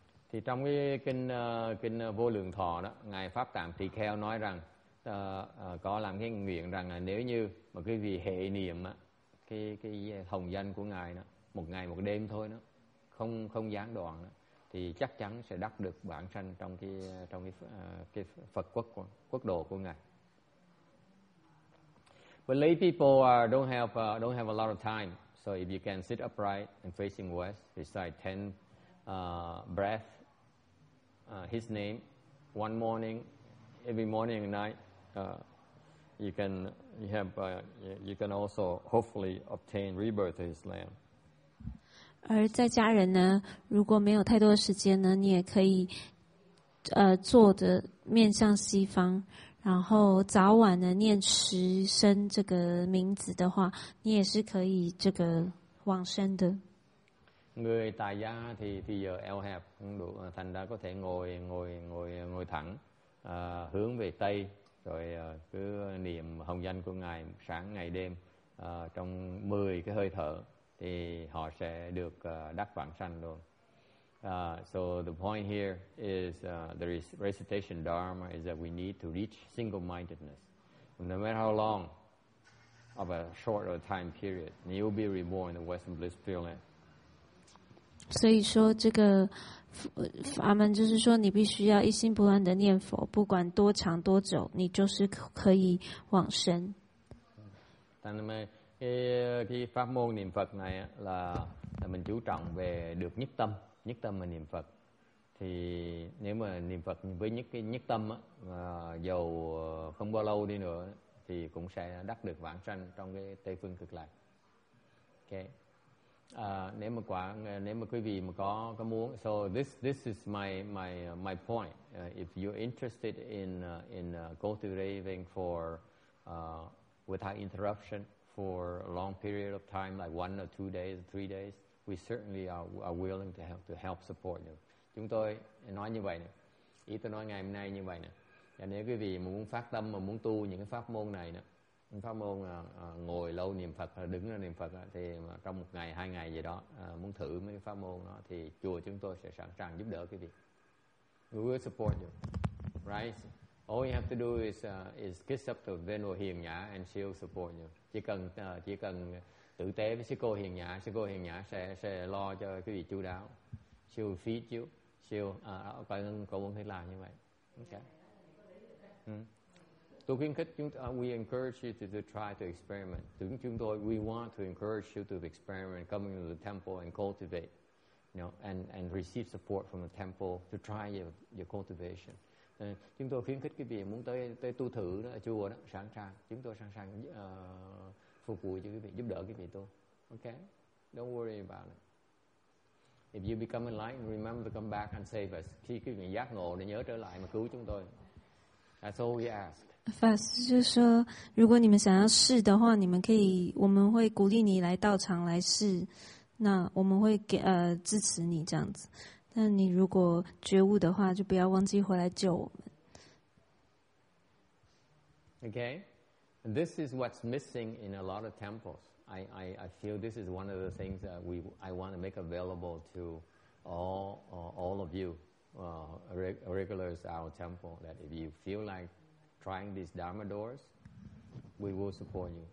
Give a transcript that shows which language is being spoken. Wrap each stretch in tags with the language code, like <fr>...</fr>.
<vi>Thì trong cái kinh Vô Lượng Thọ đó, ngài Pháp Tạng Tỳ Kheo nói rằng có làm cái nguyện rằng là nếu như mà quý vị hệ niệm á, cái hồng danh của ngài đó, một ngày một đêm thôi đó, không gián đoạn đó, thì chắc chắn sẽ đắc được vãng sanh trong cái Phật quốc độ của ngài.</vi> <en>But lay people don't have a lot of time, so if you can sit upright and facing west, recite 10 breath his name one morning, every morning and night, you can also hopefully obtain rebirth to his land.</en> <zh>而在家人呢，如果没有太多的时间呢，你也可以坐的面向西方，然后早晚呢念十声这个名字的话，你也是可以这个往生的。</zh> <vi>Người tại gia thì giờ eo hẹp, thành ra có thể ngồi thẳng, hướng về tây, rồi cứ niệm hồng danh của ngài sáng ngày đêm trong 10 cái hơi thở thì họ sẽ được đắc vãng sanh luôn.</vi> <en>So the point here is the recitation dharma is that we need to reach single-mindedness. No matter how long of a short or time period, you will be reborn in the Western Bliss Fieldland.</en> <zh>所以说这个法门就是说你必须要一心不乱的念佛，不管多长多久，你就是可以往生。但是</zh> <vi>cái pháp môn niệm Phật này là mình chú trọng về được nhất tâm mà niệm Phật. Thì nếu mà niệm Phật với nhất cái nhất tâm á, dầu không bao lâu đi nữa thì cũng sẽ đắc được vãng sanh trong cái Tây Phương Cực Lạc. Okay. Nếu mà quý vị mà có muốn,</vi> <en>so this is my point. If you're interested in cultivating for without interruption for a long period of time, like one or two days, three days, we certainly are willing to help support you.</en> <vi>Chúng tôi nói như vậy nè. Ý tôi nói ngày hôm nay như vậy nè. Và nếu quý vị muốn phát tâm mà muốn tu những cái pháp môn này nè, pháp môn ngồi lâu niệm Phật, đứng ra niệm Phật, thì trong một ngày, hai ngày gì đó, muốn thử mấy cái pháp môn đó, thì chùa chúng tôi sẽ sẵn sàng giúp đỡ quý vị.</vi> <en>We will support you. Right? All you have to do is kiss up to Venerable Hiền Nhã and she will support you.</en> <vi>Chỉ cần tử tế với Sư Cô Hiền Nhã sẽ lo cho quý vị chú đáo.</vi> <en>She will feed you. She will...</en> <vi>Cô muốn thấy làm như vậy.</vi> <en>Okay.</en> <vi>Tôi khuyến khích chúng ta,</vi> <en>we encourage you to try to experiment.</en> <vi>Chúng tôi,</vi> <en>we want to encourage you to experiment coming to the temple and cultivate, you know, and receive support from the temple to try your cultivation.</en> <vi>Chúng tôi khuyến khích cái việc muốn tới tu thử đó, chùa đó, sẵn sàng. Chúng tôi sẵn sàng phục vụ cho quý vị, giúp đỡ quý vị tôi.</vi> <en>Okay? Don't worry about it. If you become enlightened, remember to come back and save us.</en> <vi>Khi quý vị giác ngộ, nhớ trở lại mà cứu chúng tôi.</vi> <en>That's all we ask.</en> <zh>法师就说，如果你们想要试的话，你们可以，我们会鼓励你来到场来试，那我们会给支持你这样子。但你如果觉悟的话，就不要忘记回来救我们。</zh> <en>Okay, this is what's missing in a lot of temples. I feel this is one of the things that I want to make available to all of you, regulars at our temple. That if you feel like trying these Dharma doors, we will support you.</en>